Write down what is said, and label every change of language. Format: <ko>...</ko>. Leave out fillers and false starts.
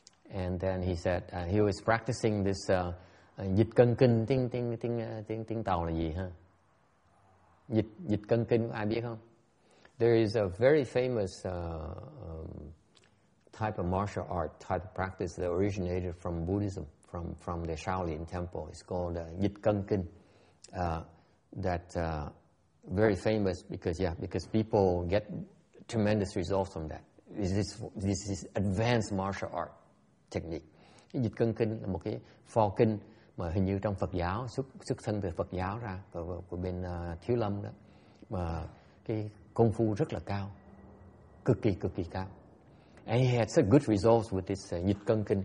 <en>And then he said he was practicing this</en> <vi>dịch cân kinh, tiếng tàu là gì ha?</vi> <en>Huh?</en> <vi>Dịch cân kinh, ai biết không?</vi> <en>There is a very famous type of martial art, type of practice that originated from Buddhism, from the Shaolin temple. It's called Yit Keng Kinh. Very famous because people get tremendous results from that. This is advanced martial art technique.</en> <vi>Yit Keng Kinh là một cái pho kinh mà hình như trong Phật giáo, xuất thân từ Phật giáo ra, của bên Thiếu Lâm đó. Mà cái công phu rất là cao, cực kỳ cao.</vi> <en>And he had such good results with this Yit Keng Kinh.</en>